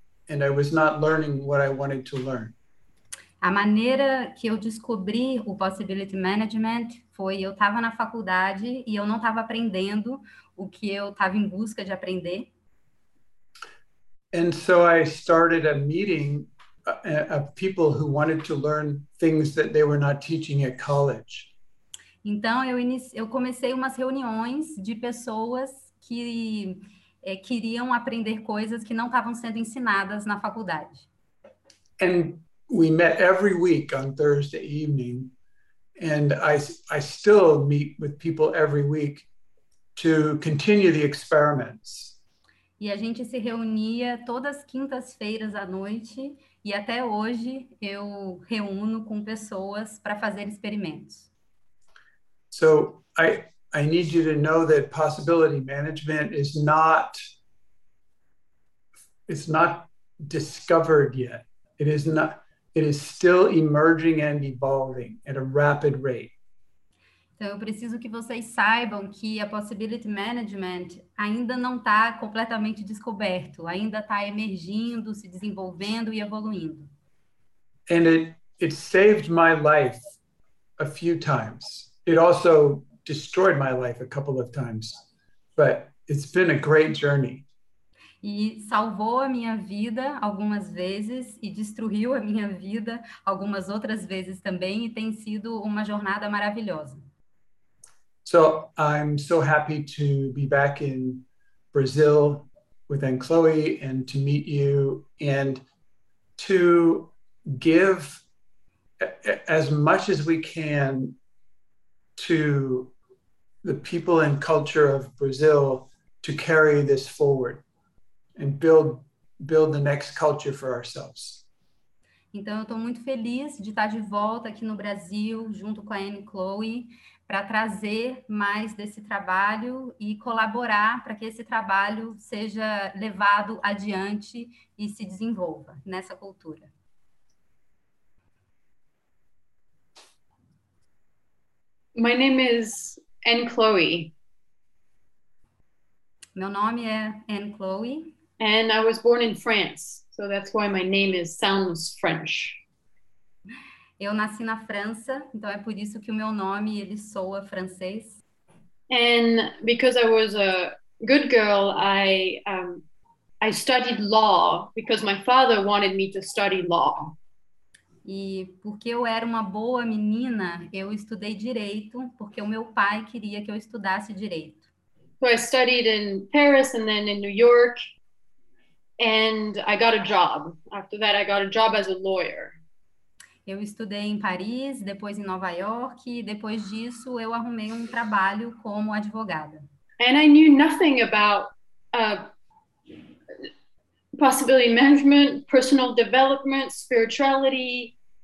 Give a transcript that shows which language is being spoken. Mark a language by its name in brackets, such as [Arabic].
[English] And I was not learning what I wanted to learn. [Portuguese] A maneira que eu descobri o Possibility Management foi eu estava na faculdade e eu não estava aprendendo o que eu estava em busca de aprender. [English] And so I started a meeting of people who wanted to learn things that they were not teaching at college. [Portuguese] Então eu comecei umas reuniões de pessoas que queriam aprender coisas que não estavam sendo ensinadas na faculdade. [English] And we met every week on Thursday evening, and I still meet with people every week to continue the experiments. [Portuguese] E a gente se reunia todas as quintas-feiras à noite, e até hoje eu reúno com pessoas para fazer experimentos. [English] So I need you to know that possibility management is not, it's not discovered yet. It is not, it is still emerging and evolving at a rapid rate. [Portuguese] Então, eu preciso que vocês saibam que a Possibility Management ainda não está completamente descoberto, ainda está emergindo, se desenvolvendo e evoluindo. [English] And it saved my life a few times. It also destroyed my life a couple of times, but it's been a great journey. [Portuguese] E salvou a minha vida algumas vezes e destruiu a minha vida algumas outras vezes também, e tem sido uma jornada maravilhosa. [English] So I'm so happy to be back in Brazil with Anne Chloe and to meet you and to give as much as we can to the people and culture of Brazil to carry this forward and build the next culture for ourselves. [Portuguese] Então, eu estou muito feliz de estar de volta aqui no Brasil, junto com a Anne Chloe, para trazer mais desse trabalho e colaborar para que esse trabalho seja levado adiante e se desenvolva nessa cultura. [English] My name is Anne Chloe. [Portuguese] Meu nome é Anne Chloe. [English] And I was born in France, so that's why my name is sounds French. [Portuguese] Eu nasci na França, então é por isso que o meu nome ele soa francês. [English] And because I was a good girl, I studied law because my father wanted me to study law. [Portuguese] E porque eu era uma boa menina, eu estudei direito, porque o meu pai queria que eu estudasse direito. [English] So I studied in Paris and then in New York, and I got a job. After that, I got a job as a lawyer. [Portuguese] Eu estudei em Paris, depois em Nova York, e depois disso eu arrumei um trabalho como advogada. [English] And I knew nothing about possibility management, personal development, spirituality.